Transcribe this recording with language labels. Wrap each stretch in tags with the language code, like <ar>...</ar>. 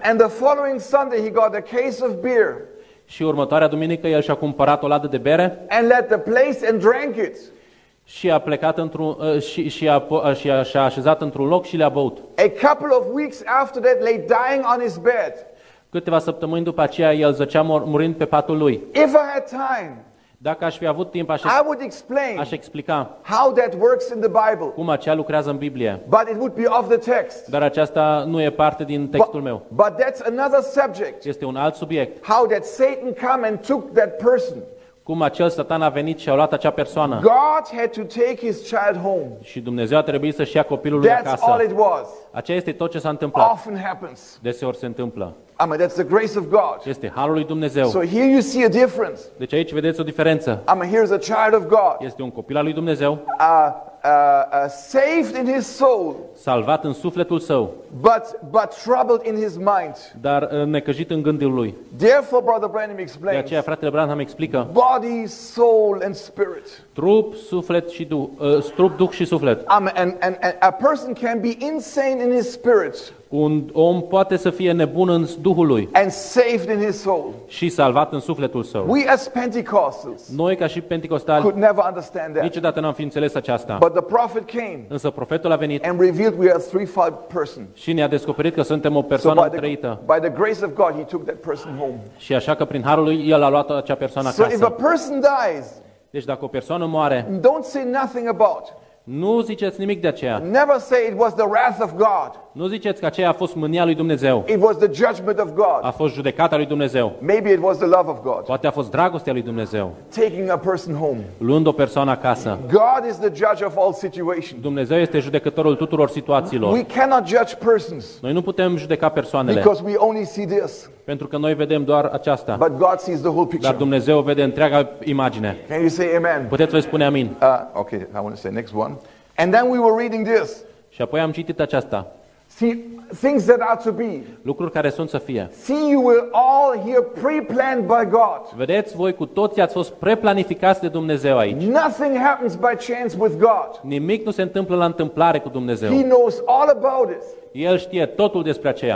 <en>And the following Sunday he got a case of beer.</en> <ro>Și următoarea duminică el și-a cumpărat o ladă de bere.</ro> <en>And let the place and drank it.</en> <ro>Și a plecat într-un și a așezat într-un loc și le-a băut.</ro> <en>A couple of weeks after that lay dying on his bed.</en> <ro>Câteva săptămâni după aceea el zăcea murind pe patul lui.</ro> <en>If I had time,</en> <ro>dacă aș fi avut timp, aș explica</ro> <en>how that works in the Bible.</en> <ro>Cum acea lucrează în Biblie.</ro> <en>But it would be off the text.</en> <ro>Dar aceasta nu e parte din textul meu.</ro> <en>But that's another subject.</en> <ro>Este un alt subiect.</ro> <en>How that Satan came and took that person.</en> <ro>Cum acel Satan a venit și a luat acea persoană.</ro> <en>God had to take his child home.</en> <ro>Și Dumnezeu a trebuit să-și ia copilul lui acasă.</ro> <en>All it was.</en> <ro>Aceea este tot ce s-a întâmplat.</ro> <en>Often happens.</en> <ro>Deseori se întâmplă.</ro> <en>I mean, that's the grace of God.</en> <ro>Este harul lui Dumnezeu.</ro> <en>So here you see a difference.</en> <ro>Deci aici vedeți o diferență.</ro> <en>I mean, here's a child of God.</en> <ro>Este un copil al lui Dumnezeu.</ro> <en>Saved in his soul.</en> <ro>Salvat în sufletul său.</ro> <en>But troubled in his mind.</en> <ro>Dar necăjit în gândul lui.</ro> <en>Therefore, Brother Branham explains.</en> <ro>De aceea fratele Branham explică.</ro> <en>Body, soul and spirit.</en> <ro>Trup, suflet și trup, duh și suflet.</ro> <en>And a person can be insane in his spirit.</en> <ro>Un om poate să fie nebun în duhul lui.</ro> <en>And saved in his soul.</en> <ro>Și salvat în sufletul său.</ro> <en>We as Pentecostals.</en> <ro>Noi ca și pentecostali.</ro> <en>Could never understand that.</en> <ro>Niciodată n-am fi înțeles aceasta.</ro> <en>But the prophet came.</en> <ro>Însă profetul a venit.</ro> <en>And revealed we are threefold person.</en> <ro>Și ne-a descoperit că suntem o persoană trăită.</ro> <en>By the grace of God he took that person home.</en> <ro>Și așa că prin harul lui el a luat acea persoană acasă.</ro> <en>So if a person dies.</en> <ro>Deci dacă o persoană moare.</ro> <en>Don't say nothing about.</en> <ro>Nu ziceți nimic de aceea.</ro> <en>Never say it was the wrath of God.</en> <ro>Nu ziceți că aceea a fost mânia lui Dumnezeu.</ro> <en>It was the judgment of God.</en> <ro>A fost judecata lui Dumnezeu.</ro> <en>Maybe it was the love of God.</en> <ro>Poate a fost dragostea lui Dumnezeu.</ro> <en>Taking a person home.</en> <ro>Luând o persoană acasă.</ro> <en>God is the judge of all situations.</en> <ro>Dumnezeu este judecătorul tuturor situațiilor.</ro> <en>We cannot judge persons.</en> <ro>Noi nu putem judeca persoanele.</ro> <en>Because we only see this.</en> <ro>Pentru că noi vedem doar aceasta.</ro> <en>But God sees the whole picture.</en> <ro>Dar Dumnezeu vede întreaga imagine.</ro> <en>Can you say amen?</en> <ro>Puteți voi spune amin?</ro> <en>Okay, I want to say next one. And then we were reading this.</en> <ro>Și apoi am citit aceasta.</ro> <en>See things that are to be.</en> <ro>Lucruri care sunt să fie.</ro> <en>See you were all here pre-planned by God.</en> <ro>Vedeți, voi cu toții ați fost preplanificați de Dumnezeu aici.</ro> <en>Nothing happens by chance with God.</en> <ro>Nimic nu se întâmplă la întâmplare cu Dumnezeu.</ro> <en>He knows all about it.</en> <ro>El știe totul despre aceea.</ro>